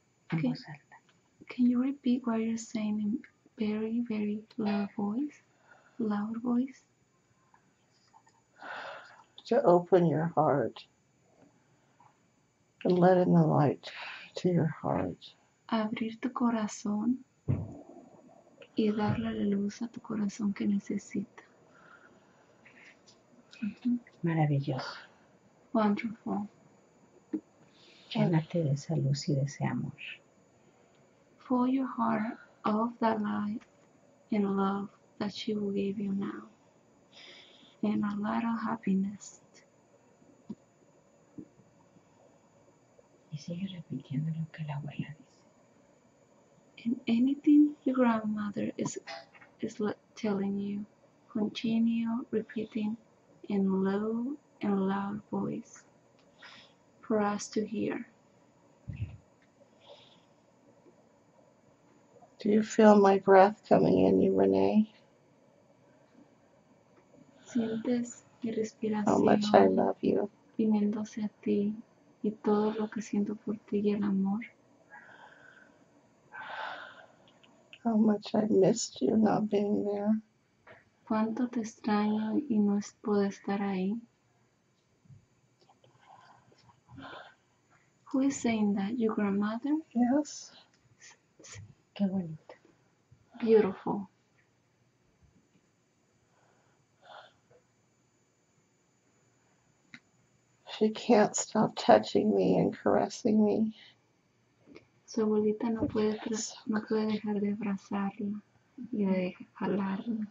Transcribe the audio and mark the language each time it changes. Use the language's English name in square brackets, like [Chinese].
[English] Can you repeat what you're saying in very, very low voice? Loud voice? To open your heart. And let in the light to your heart. [Spanish] Abrir tu corazón y darle la luz a tu corazón que necesita. Maravilloso. [English] Wonderful. [Spanish] Llénate de esa luz y de ese amor. [English] Fill your heart of that light and love that she will give you now. And a lot of happiness. [Spanish] Y sigue repitiendo lo que la abuela dice. [English] And anything your grandmother is telling you, continue repeating in low and loud voice for us to hear. Do you feel my breath coming in you, Renee? [Spanish] ¿Sientes mi respiración? [English] How much I love you. [Spanish] Viniéndose a ti y todo lo que siento por ti y el amor. [English] How much I missed you not being there. [Spanish] ¿Cuánto te extraño y no puedo estar ahí? [English] Who is saying that? Your grandmother? Yes. [Spanish] Qué bonito. [English] Beautiful. She can't stop touching me and caressing me. [Spanish] Su abuelita no puede, no puede dejar de abrazarla y de jalarla.